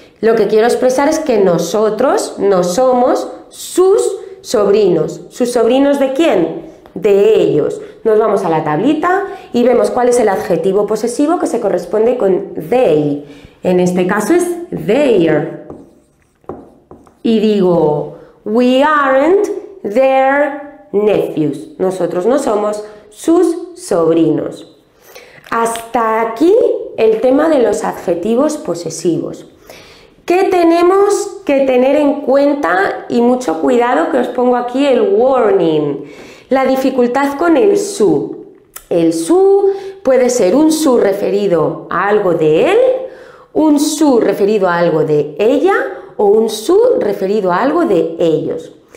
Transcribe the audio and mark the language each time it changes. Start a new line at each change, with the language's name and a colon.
Spanish: Lo que quiero expresar es que nosotros no somos sus sobrinos. ¿Sus sobrinos de quién? De ellos. Nos vamos a la tablita y vemos cuál es el adjetivo posesivo que se corresponde con they. En este caso es their. Y digo,
English: we aren't their nephews.
Spanish: Nosotros no somos sus sobrinos. Hasta aquí el tema de los adjetivos posesivos. ¿Qué tenemos que tener en cuenta? Y mucho cuidado, que os pongo aquí el warning. La dificultad con el su. El su puede ser un su referido a algo de él, un su referido a algo de ella o un su referido a algo de ellos.